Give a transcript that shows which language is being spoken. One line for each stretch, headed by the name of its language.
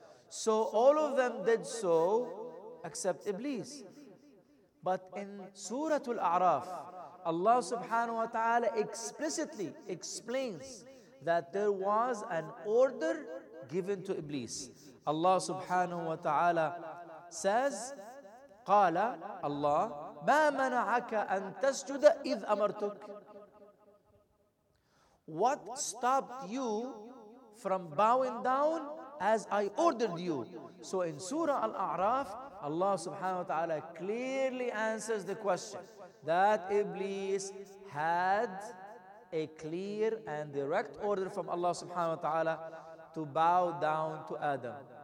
English: So all of them did so except Iblis. But in Surah Al-A'raf, Allah subhanahu wa ta'ala explicitly explains that there was an order given to Iblis. Allah subhanahu wa ta'ala says,
Arabic: قَالَ Allah, مَا مَنَعَكَ أَن تَسْجُدَ إِذْ أَمَرْتُكَ.
English: What stopped you from bowing down as I ordered you? So in Surah Al-A'raf, Allah subhanahu wa ta'ala clearly answers the question that Iblis had a clear and direct order from Allah subhanahu wa ta'ala to bow down to Adam.